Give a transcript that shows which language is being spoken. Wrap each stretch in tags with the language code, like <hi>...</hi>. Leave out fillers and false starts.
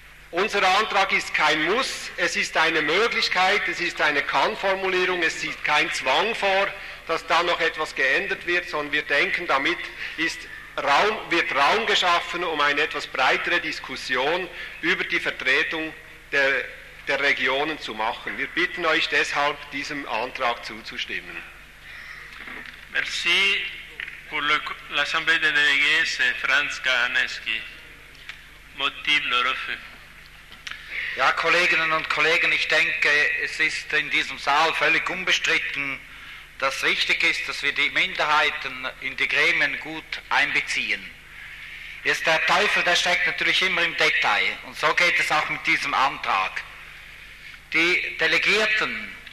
<de>Unser Antrag ist kein Muss, es ist eine Möglichkeit, es ist eine Kann-Formulierung, es sieht kein Zwang vor, dass da noch etwas geändert wird, sondern wir denken, damit ist Raum geschaffen, um eine etwas breitere Diskussion über die Vertretung der Regionen zu machen. Wir bitten euch deshalb, diesem Antrag zuzustimmen.</de> <fr>Merci. Pour l'Assemblée des délégués, c'est Franz Kahaneski. Motive le refus.</fr> <de>Ja, Kolleginnen und Kollegen, ich denke, es ist in diesem Saal völlig unbestritten, dass richtig ist, dass wir die Minderheiten in die Gremien gut einbeziehen. Jetzt der Teufel, der steckt natürlich immer im Detail. Und so geht es auch mit diesem Antrag. Die Delegierten</de>